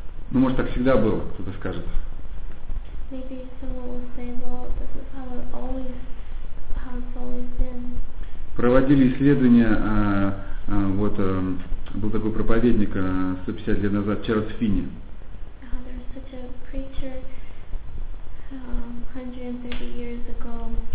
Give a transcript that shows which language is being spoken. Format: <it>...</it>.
<ru>Ну, может, так всегда было, кто-то скажет.</ru> <en>Maybe someone will say, well, this is how it always has always been.</en> <ru>Проводили исследования, вот был такой проповедник 150 лет назад, Чарльз Финни.</ru> <en>There's such a preacher 130 years ago.</en>